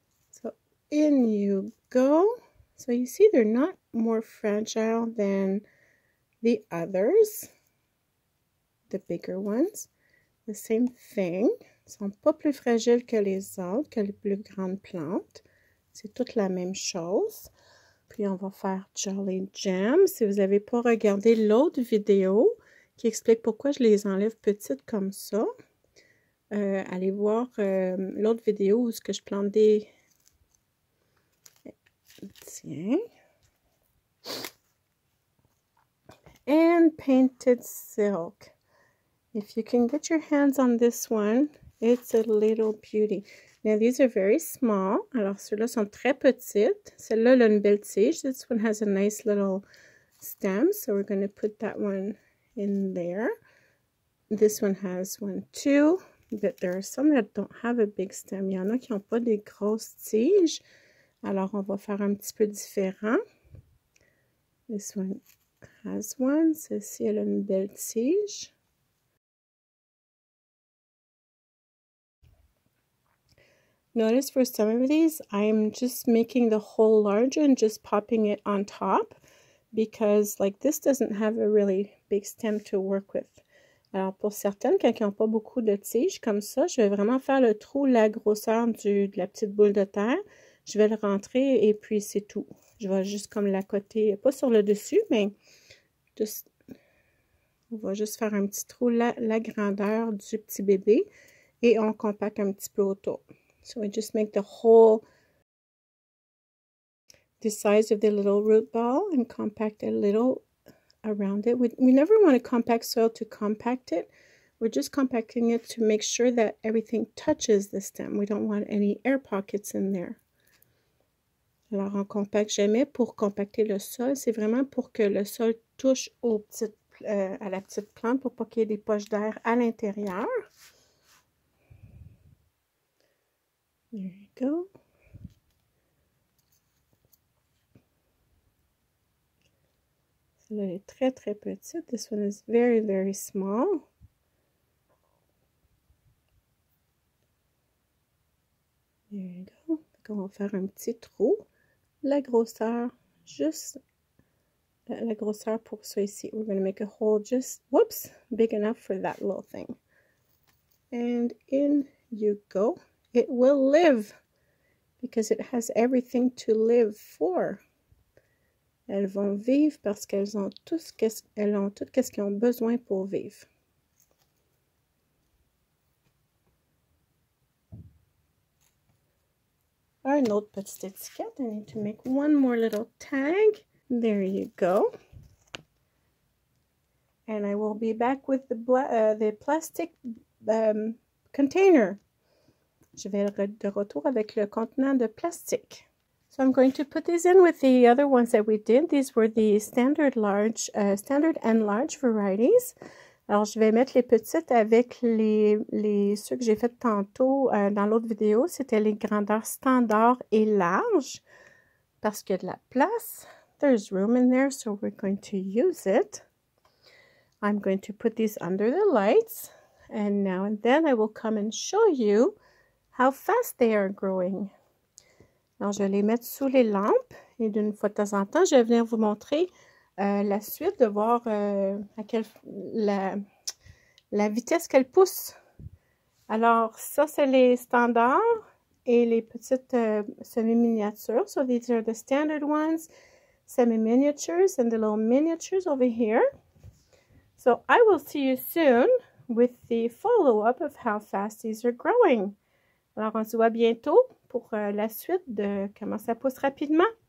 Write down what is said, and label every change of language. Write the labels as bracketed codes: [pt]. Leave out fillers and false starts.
[en] So, in you go. So, you see they're not more fragile than the others. The bigger ones. The same thing. [fr] Ils sont pas plus fragiles que les autres, que les plus grandes plantes. C'est toute la même chose. Puis, on va faire Jolly Gem. Si vous n'avez pas regardé l'autre vidéo qui explique pourquoi je les enlève petites comme ça, allez voir l'autre vidéo où ce que je plante des... Tiens. [en] And Painted Silk. If you can get your hands on this one, it's a little beauty. Now, these are very small. [fr] Alors, ceux-là sont très petites. Celle-là, elle a une belle tige. [en] This one has a nice little stem. So, we're going to put that one in there. This one has one too. But there are some that don't have a big stem. [fr] Il y en a qui n'ont pas des grosses tiges. Alors, on va faire un petit peu différent. [en] This one has one. [fr] Ceci, elle a une belle tige. [en] Notice for some of these, I'm just making the hole larger and just popping it on top, because like this doesn't have a really big stem to work with. [fr] Alors pour certaines, quand elles n'ont pas beaucoup de tiges comme ça, je vais vraiment faire le trou, la grosseur de la petite boule de terre. Je vais le rentrer et puis c'est tout. Je vais juste comme la côté, pas sur le dessus, mais juste, on va juste faire un petit trou, la grandeur du petit bébé et on compacte un petit peu autour. [en] So I just make the hole the size of the little root ball and compact a little around it. We never want to compact soil to compact it. We're just compacting it to make sure that everything touches the stem. We don't want any air pockets in there. [fr] Alors, on compacte jamais pour compacter le sol. C'est vraiment pour que le sol touche à la petite plante pour pas qu'il y ait des poches d'air à l'intérieur. [en] There you go. [fr] Celle-là est très, très petite. [en] This one is very, very small. There you go. [fr] Donc, on va faire un petit trou. La grosseur, juste la grosseur pour ça ici. [en] We're going to make a hole just, whoops, big enough for that little thing. And in you go. It will live because it has everything to live for. [fr] Elles vont vivre parce qu'elles ont tout ce qu'elles elles ont tout qu'est-ce qu'elles ont besoin pour vivre. Une autre petite étiquette. [en] I need to make one more little tag. There you go. And I will be back with the plastic container. [fr] Je vais être de retour avec le contenant de plastique. [en] So I'm going to put these in with the other ones that we did. These were the standard large, standard and large varieties. [fr] Alors, je vais mettre les petites avec les ceux que j'ai faites tantôt dans l'autre vidéo. C'était les grandeurs standard et large parce qu'il y a de la place. [en] There's room in there, so we're going to use it. I'm going to put these under the lights. And now and then I will come and show you how fast they are growing. [fr] Alors, je vais les mettre sous les lampes et d'une fois de temps en temps, je vais venir vous montrer la suite de voir à quelle la vitesse qu'elle pousse. Alors, ça, c'est les standards et les petites semi-miniatures. [en] So, these are the standard ones, semi-miniatures, and the little miniatures over here. So, I will see you soon with the follow-up of how fast these are growing. [fr] Alors, on se voit bientôt pour la suite de comment ça pousse rapidement.